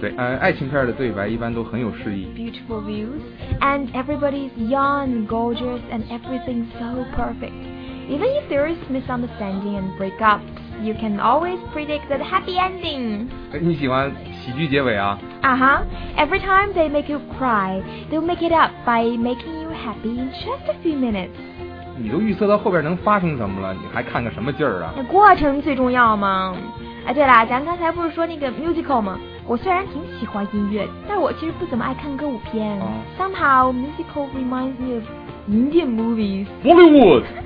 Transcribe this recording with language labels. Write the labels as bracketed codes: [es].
[zh] 对，爱情片的对白一般都很有诗意。 [en] Beautiful views. And everybody's young, gorgeous, and everything's so perfect. Even if there is misunderstanding and breakups, you can always predict the happy ending. [zh] 你喜欢喜剧结尾啊？ [en] Uh-huh. Every time they make you cry, they'll make it up by making you happy in just a few minutes. [zh] 你都预测到后边能发生什么了，你还看个什么劲儿啊？那过程最重要吗？哎，对了，咱刚才不是说那个 musical 吗？我虽然挺喜欢音乐，但我其实不怎么爱看歌舞片。 [en] Somehow musical reminds me of Indian movies. Bollywood.